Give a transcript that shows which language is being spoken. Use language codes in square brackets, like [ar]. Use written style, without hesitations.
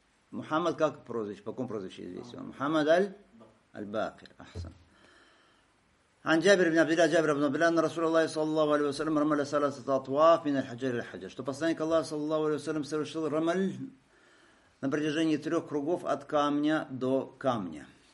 [ru] Мухаммад как прозвище? По какому прозвищу известен? Мухаммад аль-Бакир. Ахсан. [ar] عن جابر بن عبد الله جابر بن عبد الله أن رسول الله صلى الله عليه وسلم رمل ثلاثة أطواف من الحجر إلى الحجر. [ru] Что посланник Аллаха [ar] صلى الله عليه وسلم [ru] совершил рамаль на протяжении трех кругов от камня до камня.